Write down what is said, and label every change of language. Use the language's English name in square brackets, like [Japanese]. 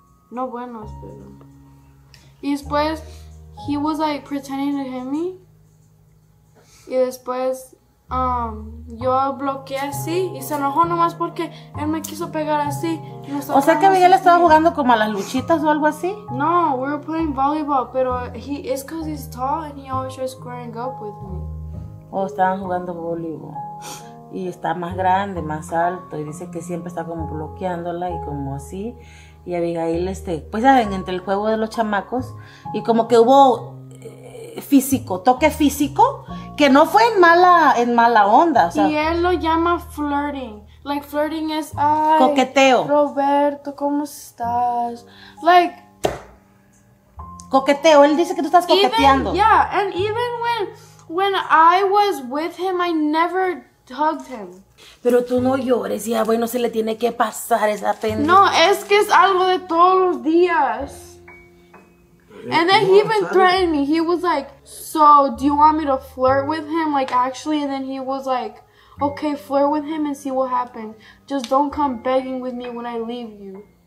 [Spanish] No buenos, pero... Y después, [English] he was like pretending to hit me. [Spanish] Y después, yo bloqueé así y se enojó nomás porque él me quiso pegar así. O sea que Miguel estaba jugando como a las luchitas o algo así. [English] No, we were playing volleyball, [Spanish] pero [English] it's because he's tall and he always tries squaring up with me. [Spanish] Oh, estaban jugando voleibol. Y está más grande, más alto. Y dice que siempre está como bloqueándola y como así. Y Abigail, pues saben, entre el juego de los chamacos. Y como que hubo físico, toque físico. Que no fue en mala onda. O sea, y él lo llama [English] flirting. Like flirting [Spanish] es, ay. Coqueteo. Roberto, ¿cómo estás? [English] Like. [Spanish] Coqueteo, él dice que tú estás coqueteando. [English] Even, yeah, and even when I was with him, I never hugged him. [Spanish] Pero tú no llores, ya, bueno, se le tiene que pasar esa pena. No, es que es algo de todos los días. [English] And then he even threatened me. He was like, so, do you want me to flirt with him? Like, actually, and then he was like, okay, flirt with him and see what happens. Just don't come begging with me when I leave you.